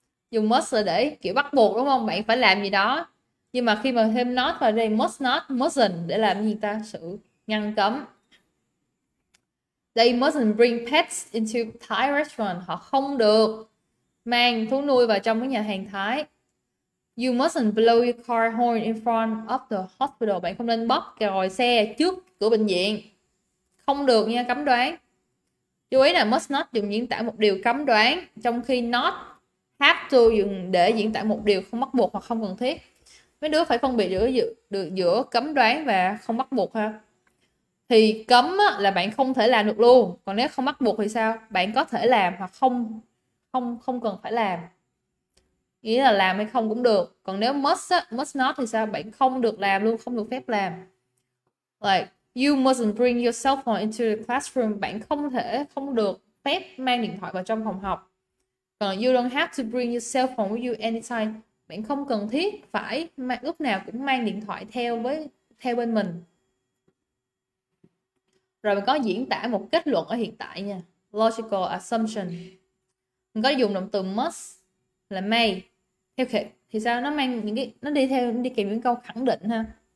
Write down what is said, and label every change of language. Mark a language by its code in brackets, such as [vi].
[vi] Dùng must là để kiểu bắt buộc đúng không? Bạn phải làm gì đó. Nhưng mà khi mà thêm not vào đây, must not, mustn't để làm gì ta? Sự ngăn cấm. [en] They mustn't bring pets into Thai restaurant. [vi] Họ không được mang thú nuôi vào trong cái nhà hàng Thái. [en] You mustn't blow your car horn in front of the hospital. [vi] Bạn không nên bóp còi xe trước cửa bệnh viện. Không được nha, cấm đoán. Chú ý là must not dùng diễn tả một điều cấm đoán, trong khi not have to dùng để diễn tả một điều không bắt buộc hoặc không cần thiết. Mấy đứa phải phân biệt giữa giữa cấm đoán và không bắt buộc ha. Thì cấm là bạn không thể làm được luôn, còn nếu không bắt buộc thì sao? Bạn có thể làm hoặc không không không cần phải làm. Ý là làm hay không cũng được. Còn nếu must not thì sao? Bạn không được làm luôn, không được phép làm. [en] Like, you mustn't bring your cell phone into the classroom. [vi] Bạn không thể, không được phép mang điện thoại vào trong phòng học. Còn [en] you don't have to bring your cell phone with you anytime. [vi] Bạn không cần thiết phải lúc nào cũng mang điện thoại theo bên mình. Rồi mình có diễn tả một kết luận ở hiện tại nha. Logical assumption. Mình có dùng động từ must là may theo kệ thì sao, nó mang những cái nó đi theo nó đi kèm những câu khẳng định ha.